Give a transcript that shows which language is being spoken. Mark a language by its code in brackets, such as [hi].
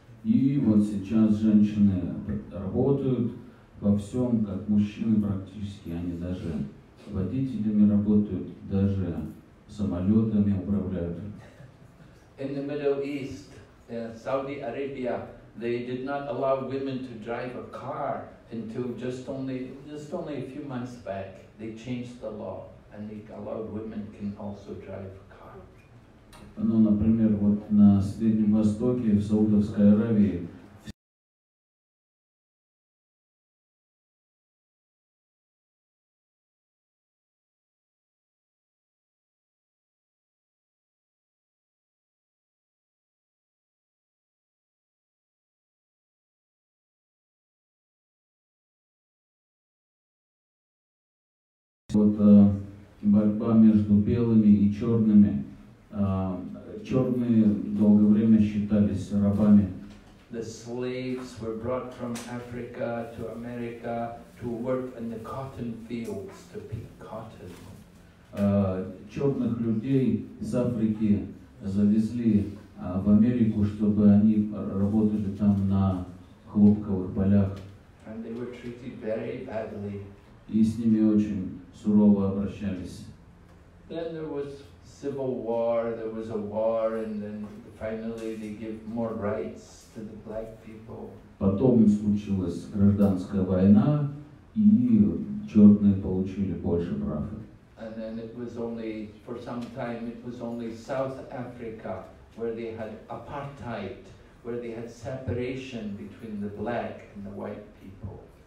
[ru] И вот сейчас женщины работают во всем, как мужчины практически, они даже водителями работают, даже самолетами управляют. [en] In the Middle East, Saudi Arabia, they did not allow women to drive a car until just only a few months back. They changed the law and they allowed women can also drive a car. [ru] Ну, например, вот на Среднем Востоке, в Саудовской Аравии, Вот борьба между белыми и черными. Черные долгое время считались рабами. [en] The slaves were brought from Africa to America to work in the cotton fields to pick cotton. [ru] Черных людей из Африки завезли в Америку, чтобы они работали там на хлопковых полях. [en] And they were treated very badly. [ru] И с ними очень сурово обращались. [en] Then there was civil war, there was a war, and then finally they give more rights to the black people. [ru] Потом случилась гражданская война, и черные получили больше прав. [en] And then it was only, for some time, it was only South Africa where they had apartheid, where they had separation between the black and the white people.